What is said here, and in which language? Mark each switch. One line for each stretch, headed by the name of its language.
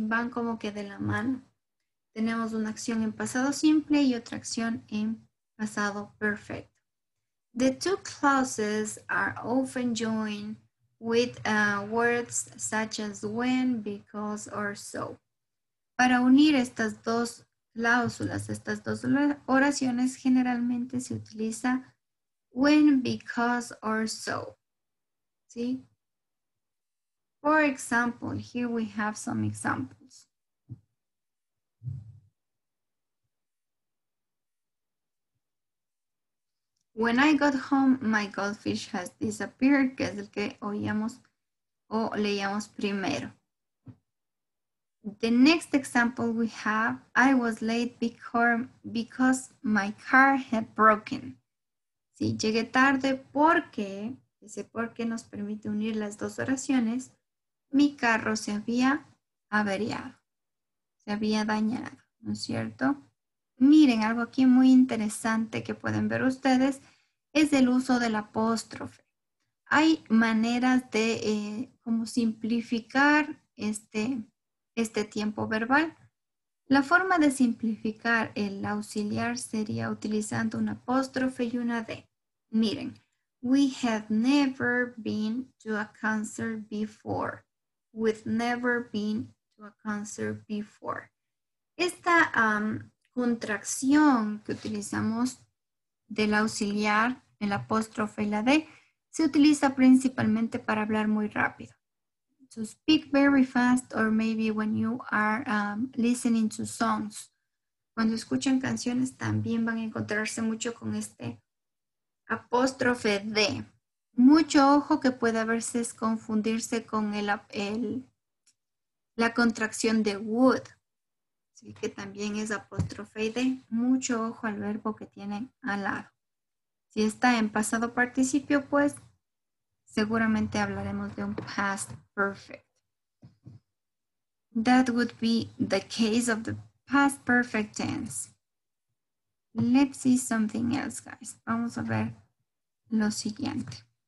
Spanish: Van como que de la mano. Tenemos una acción en pasado simple y otra acción en pasado perfecto.
English: The two clauses are often joined with words such as when, because, or so.
Spanish: Para unir estas dos cláusulas, estas dos oraciones, generalmente se utiliza when, because, or so. ¿Sí?
English: For example, here we have some examples. When I got home, my goldfish has disappeared,
Spanish: que es el que oíamos o leíamos primero.
English: The next example we have, I was late because my car had broken.
Spanish: Sí, llegué tarde porque, ese porque nos permite unir las dos oraciones, mi carro se había averiado, se había dañado, ¿no es cierto? Miren, algo aquí muy interesante que pueden ver ustedes es el uso del apóstrofe. Hay maneras de como simplificar este tiempo verbal. La forma de simplificar el auxiliar sería utilizando un apóstrofe y una D.
English: Miren, we have never been to a concert before. We've never been to a concert before.
Spanish: Esta contracción que utilizamos del auxiliar, el apóstrofe y la D, se utiliza principalmente para hablar muy rápido.
English: To speak very fast or maybe when you are listening to songs.
Spanish: Cuando escuchan canciones también van a encontrarse mucho con este apóstrofe D. Mucho ojo que puede a veces confundirse con la contracción de would. Sí, que también es apóstrofe D. Mucho ojo al verbo que tienen al lado. Si está en pasado participio, pues seguramente hablaremos de un past perfect.
English: That would be the case of the past perfect tense. Let's see something else, guys.
Spanish: Vamos a ver lo siguiente.